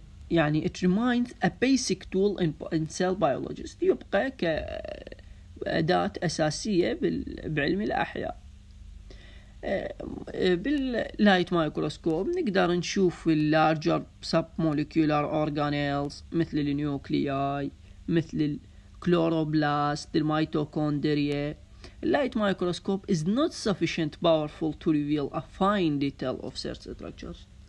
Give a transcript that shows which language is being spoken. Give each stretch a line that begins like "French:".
English: يعني it reminds a basic tool in cell biologist،
Arabic: يبقى كأداة أساسية بعلم الأحياء. باللايت مايكروسكوب نقدر نشوف
English: larger submolecular organelles
Arabic: مثل النيوكلياي، مثل الكلوروبلاست، الميتوكوندريا.
English: اللايت microscope is not sufficient powerful to reveal a fine detail of cell structures.